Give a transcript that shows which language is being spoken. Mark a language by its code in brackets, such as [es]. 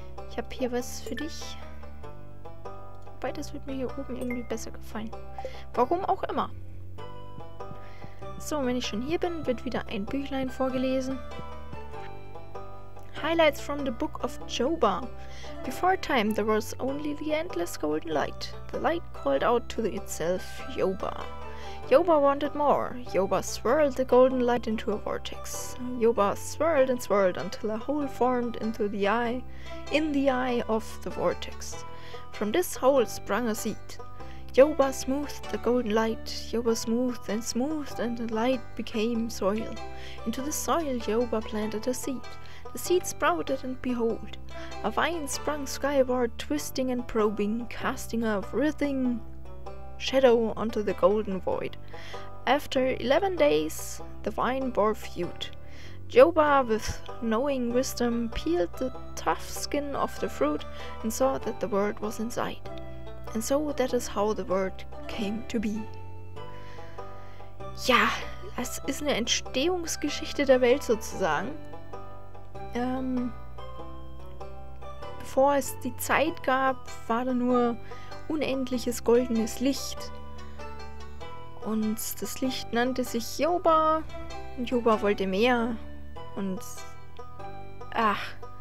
[de] Ich habe hier was für dich. Wobei, das wird mir hier oben irgendwie besser gefallen. Warum auch immer. So, wenn ich schon hier bin, wird wieder ein Büchlein vorgelesen. [en] Highlights from the Book of Joba. Before time, there was only the endless golden light. The light called out to itself, Joba. Joba wanted more. Joba swirled the golden light into a vortex. Joba swirled and swirled until a hole formed into the eye, in the eye of the vortex. From this hole sprang a seed. Joba smoothed the golden light. Joba smoothed, and the light became soil. Into the soil, Joba planted a seed. The seed sprouted, and behold, a vine sprung skyward, twisting and probing, casting a writhing shadow onto the golden void. After 11 days, the vine bore fruit. Joba, with knowing wisdom, peeled the tough skin off the fruit and saw that the word was inside. And so that is how the word came to be. [de] Ja, es ist eine Entstehungsgeschichte der Welt sozusagen. Bevor es die Zeit gab, war da nur unendliches goldenes Licht. Und das Licht nannte sich Joba. Und Joba wollte mehr. Und... ach.